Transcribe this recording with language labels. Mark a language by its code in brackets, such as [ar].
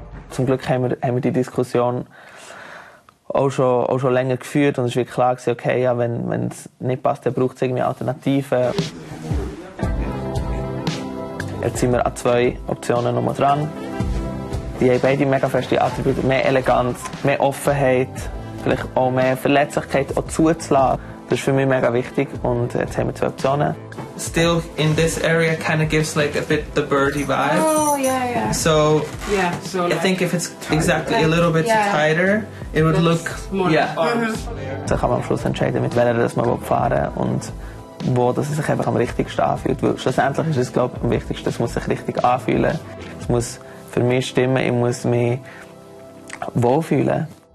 [de] Zum Glück haben wir die Diskussion auch schon länger geführt und es war klar, okay, ja, wenn es nicht passt, dann braucht es irgendwie Alternativen. Jetzt sind wir an zwei Optionen noch mal dran. Die haben beide mega feste Attribute, mehr Eleganz, mehr Offenheit, vielleicht auch mehr Verletzlichkeit auch zuzulassen. Das ist für mich mega wichtig und jetzt haben wir zwei Optionen. [en] Still in this area kind of gives like a bit the birdie vibe. Oh, yeah, yeah. So, yeah, so like, I think if it's exactly like, a little bit tighter, it would look more arms. [de] Da kann man am Schluss entscheiden, mit welcher das man fahren will und wo das sich einfach am richtigsten anfühlt. Weil schlussendlich ist es, glaube ich, am wichtigsten, es muss sich richtig anfühlen. Es muss für mich stimmen, ich muss mich wohlfühlen.